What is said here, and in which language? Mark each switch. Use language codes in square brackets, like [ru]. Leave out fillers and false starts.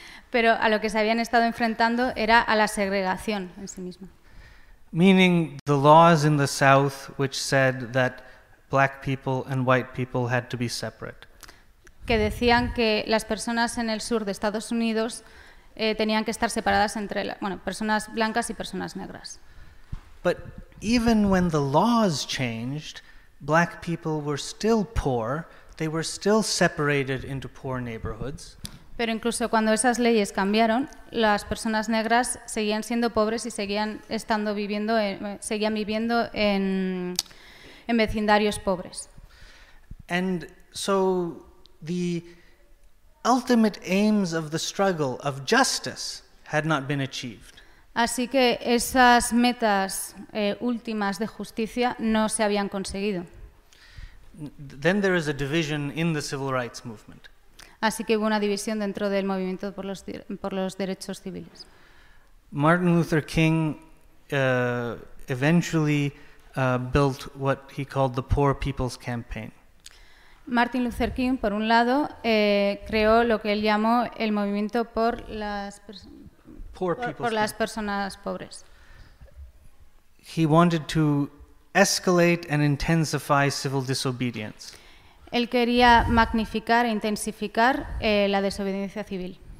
[es] pero a lo que se habían estado enfrentando era a la segregación en sí misma. [en] Meaning the laws in the South which said that black people and white people had to be separate. [es] Que decían que las personas en el sur de Estados Unidos tenían que estar separadas entre personas blancas y personas negras. [en] But even when the laws changed, black people were still poor, they were still separated into poor neighborhoods. [es] Pero incluso cuando esas leyes cambiaron, las personas negras seguían siendo pobres y seguían viviendo en vecindarios pobres. [en] And so the ultimate aims of the struggle of justice had not been achieved. [es] Así que esas metas últimas de justicia no se habían conseguido. [en] Then there is a division in the civil rights movement. [es] Así que hubo una división dentro del movimiento por los derechos civiles. [en] Martin Luther King eventually built what he called the Poor People's Campaign. [es] Martin Luther King, por un lado, creó lo que él llamó el movimiento por las personas pobres. [en] He wanted to escalate and intensify civil disobedience. [es] Él quería magnificar e intensificar la desobediencia civil.